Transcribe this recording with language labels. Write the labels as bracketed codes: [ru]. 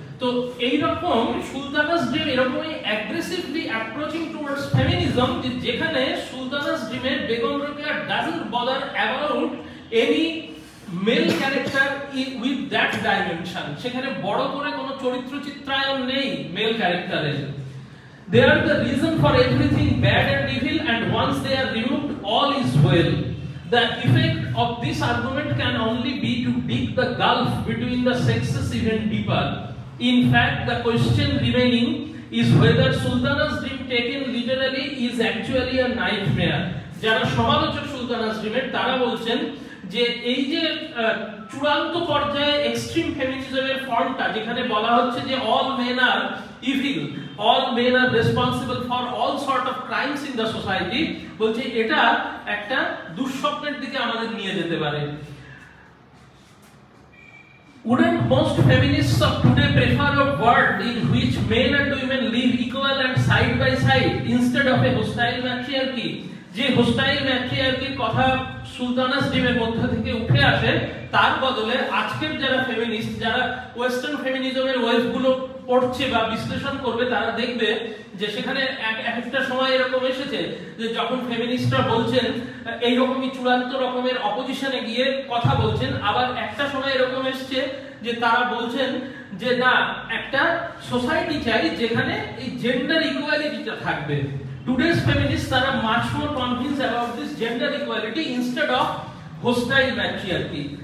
[bn] তো এইরকম সুলতানা স্ট্রিম এরকমই [en] aggressively approaching towards feminism, [bn] যেখানে Sultana স্ট্রিমের Begum Rokeya [en] doesn't bother about any male character with that dimension, [bn] সেখানে বড় করে কোনো চরিত্র চিত্রায়ন নেই মেল ক্যারেক্টারের। [en] They are the reason for everything bad and evil and once they are removed all is well. The effect of this argument can only be to dig the gulf between the sexes even deeper. In fact, the question remaining is whether Sultana's dream taken literally is actually a nightmare. [bn] যারা সমালোচক সুলতানা স্ট্রিমের তারা বলছেন যে এই যে চূড়ান্ত পর্যায়ে extreme ফেমিনিজমের ফর্মটা যেখানে বলা হচ্ছে যে [en] all men are evil, all men are responsible for all sort of crimes in the society, [bn] বলছে এটা একটা দুঃস্বপ্নের দিকে আমাদের নিয়ে যেতে পারে। [en] Wouldn't most feminists of today prefer a world in which men and women live equal and side by side instead of a hostile matriarchy? [bn] যে hostile ম্যাট্রিয়ার্কির কথা সুলতানা স্ট্রিমের মধ্যে থেকে উঠে আসে, তার বদলে আজকের যারা ফেমিনিস্ট, যারা ওয়েস্টার্ন ফেমিনিজমের ওয়েভগুলো পড়ছে বা বিশ্লেষণ করবে, তারা দেখবে যে সেখানে এক একটা সময় এরকম এসেছে যে যখন ফেমিনিস্টরা বলছেন এইরকমই চূড়ান্ত রকমের অপজিশনে গিয়ে কথা বলছেন, আবার একটা সময় এরকম এসছে যে তারা বলছেন যে না একটা সোসাইটি চাই যেখানে এই জেন্ডার ইকুয়ালিটিটা থাকবে। [en] Today's feminists are much more convinced about this gender equality instead of hostile matriarchy.